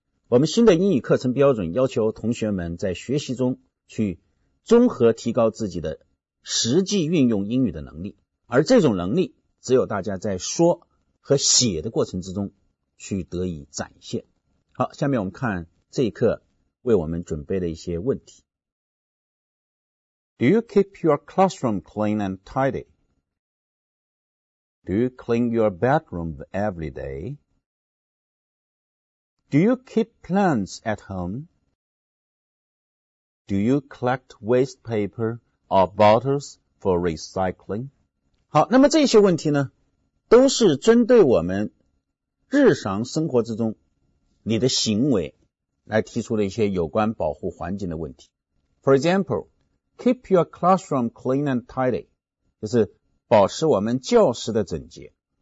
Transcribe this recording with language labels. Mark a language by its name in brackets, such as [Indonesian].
[Chinese] 我们新的英语课程标准要求同学们在学习中去综合提高自己的实际运用英语的能力，而这种能力只有大家在说和写的过程之中去得以展现。好，下面我们看这一课为我们准备的一些问题。 [English] Do you keep your classroom clean and tidy? Do you clean your bedroom every day? Do you keep plants at home? Do you collect waste paper or bottles for recycling? [Chinese] 好，那么这些问题呢，都是针对我们日常生活之中你的行为来提出了一些有关保护环境的问题。 [English] For example,Keep your classroom clean and tidy, [Chinese] 就是保持我们教室的整洁。